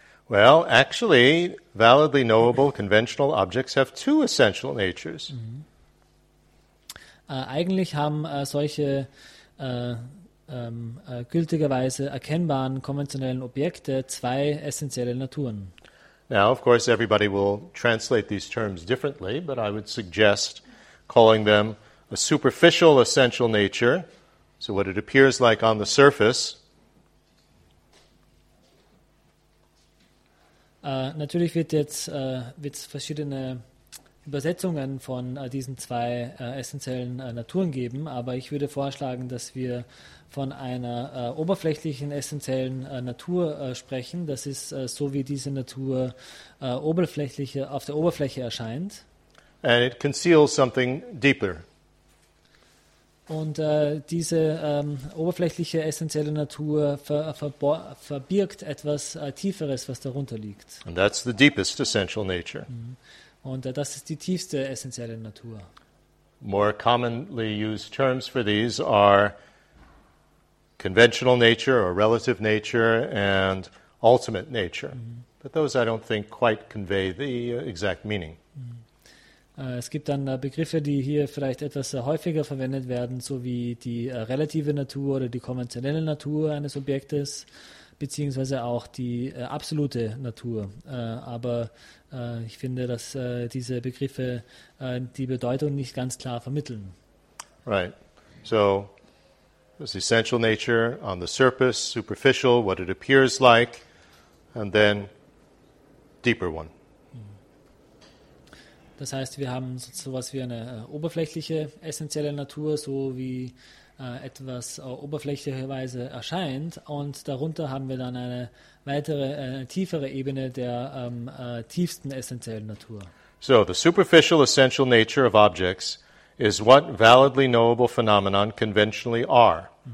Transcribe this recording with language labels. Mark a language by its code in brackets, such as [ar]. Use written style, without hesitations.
[en] Well, actually, validly knowable conventional objects have two essential natures. [de] Eigentlich haben solche gültigerweise erkennbaren konventionellen Objekte zwei essentielle Naturen. [en] Now, of course, everybody will translate these terms differently, but I would suggest calling them a superficial essential nature, so what it appears like on the surface. [de] Natürlich wird jetzt wird's verschiedene Übersetzungen von diesen zwei essentiellen Naturen geben, aber ich würde vorschlagen, dass wir von einer oberflächlichen essentiellen Natur sprechen. Das ist so, wie diese Natur oberflächliche auf der Oberfläche erscheint. [en] And it conceals something deeper. [de] Und diese oberflächliche essentielle Natur verbirgt etwas Tieferes, was darunter liegt. [en] And that's the deepest essential nature. [de] Und das ist die tiefste essentielle Natur. [en] More commonly used terms for these are conventional nature or relative nature and ultimate nature. But those I don't think quite convey the exact meaning. [de] Es gibt dann Begriffe, die hier vielleicht etwas häufiger verwendet werden, so wie die relative Natur oder die konventionelle Natur eines Objektes, beziehungsweise auch die absolute Natur. Aber ich finde, dass diese Begriffe die Bedeutung nicht ganz klar vermitteln. [en] Right. So, this essential nature on the surface, superficial, what it appears like, and then deeper one. [de] Das heißt, wir haben sowas wie eine oberflächliche essentielle Natur, so wie etwas oberflächlicherweise erscheint. Und darunter haben wir dann eine weitere, eine tiefere Ebene der tiefsten essentiellen Natur. [en] So, the superficial essential nature of objects is what validly knowable phenomena conventionally are.